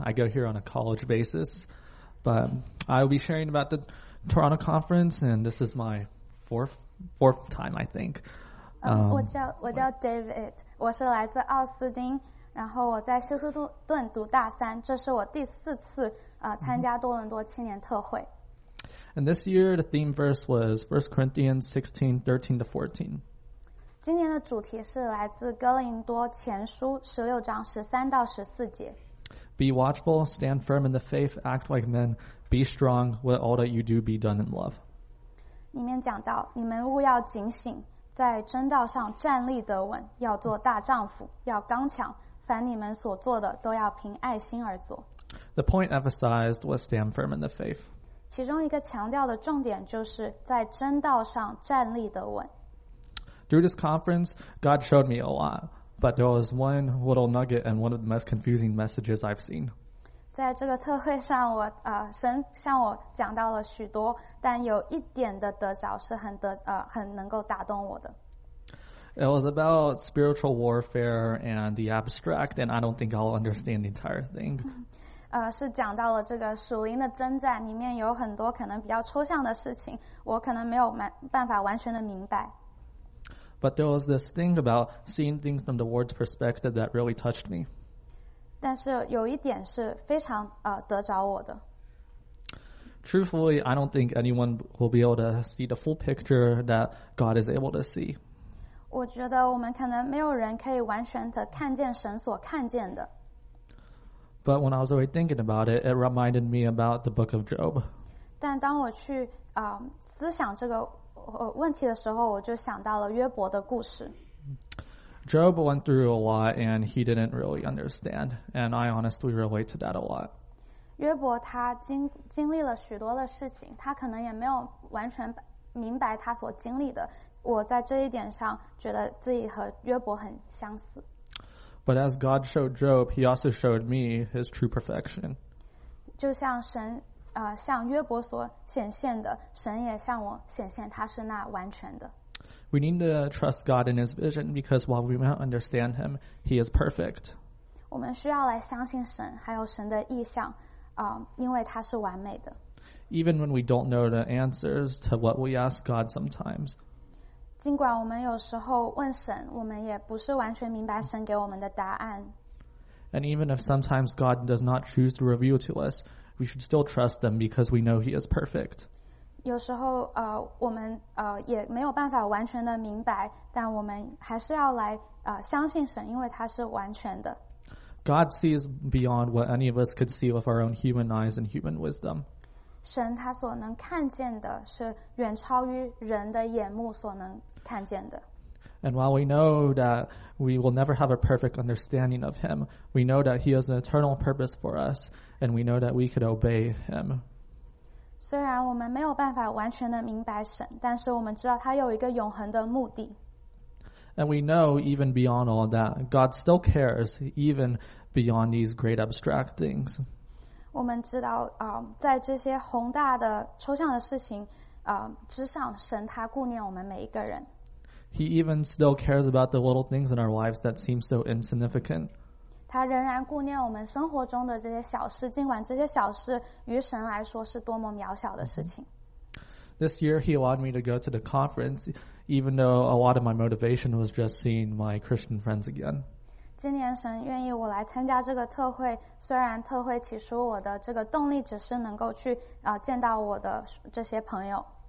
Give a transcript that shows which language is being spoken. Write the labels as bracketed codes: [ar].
[en] I go here on a college basis, but I will be sharing about the Toronto Conference, and this is my fourth time, I think. [zh] 我叫 David， 我是来自奥斯丁，然后我在休斯顿读大三，这是我第四次参加多伦多青年特会。 [en] And this year the theme verse was 1 Corinthians 16:13-14. [zh] 今年的主题是来自哥林多前书16:13-14. [en] Be watchful, stand firm in the faith, act like men, be strong, let all that you do be done in love. [zh] 里面讲到，你们务要警醒，在真道上站立得稳，要做大丈夫，要刚强，凡你们所做的都要凭爱心而做。 [en] The point emphasized was stand firm in the faith. [zh] 其中一个强调的重点就是在真道上站立得稳。 [en] Through this conference, God showed me a lot, but there was one little nugget and one of the most confusing messages I've seen. [zh] 在这个特会上，我神向我讲到了许多，但有一点的得着是很能够打动我的。 [en] It was about spiritual warfare and the abstract, and I don't think I'll understand the entire thing. [zh] 是讲到了这个属灵的征战，里面有很多可能比较抽象的事情，我可能没有办法完全的明白。 [en] But there was this thing about seeing things from the Lord's perspective that really touched me. [zh] 但是有一点是非常得着我的。 [en] Truthfully, I don't think anyone will be able to see the full picture that God is able to see. [zh] 我觉得我们可能没有人可以完全的看见神所看见的。 [en] But when I was already thinking about it, it reminded me about the book of Job. [zh] 但当我去思想这个问题的时候，我就想到了约伯的故事。 [en] Job went through a lot and he didn't really understand, and I honestly relate to that a lot. [zh] 约伯他经历了许多的事情，他可能也没有完全明白他所经历的。我在这一点上觉得自己和约伯很相似。 [en] But as God showed Job, he also showed me his true perfection. [zh] 就像神向约伯所显现的，神也向我显现他是那完全的。 [en] We need to trust God in his vision, because while we may not understand him, he is perfect. [zh] 我们需要来相信神，还有神的意象，因为他是完美的。 [en] Even when we don't know the answers to what we ask God sometimes. [zh] 尽管我们有时候问神，我们也不是完全明白神给我们的答案。 [en] And even if sometimes God does not choose to reveal to us, we should still trust them because we know he is perfect. [zh] 有时候我们也没有办法完全的明白，但我们还是要来相信神，因为他是完全的。 [en] God sees beyond what any of us could see with our own human eyes and human wisdom. [zh] 神他所能看见的是远超于人的眼目所能看见的。 [en] And while we know that we will never have a perfect understanding of him, we know that he has an eternal purpose for us, and we know that we could obey him. [zh] 虽然我们没有办法完全的明白神，但是我们知道他有一个永恒的目的。 [en] And we know, even beyond all that, God still cares, even beyond these great abstract things. [zh] 我们知道在这些宏大的抽象的事情之上，神他顾念我们每一个人。 [en] He even still cares about the little things in our lives that seem so insignificant. [zh] 他仍然顾念我们生活中的这些小事，尽管这些小事于神来说是多么渺小的事情。 [en] This year he allowed me to go to the conference, even though a lot of my motivation was just seeing my Christian friends again. [zh] 今年神愿意我来参加这个特会，虽然特会起初我的这个动力只是能够去见到我的这些朋友。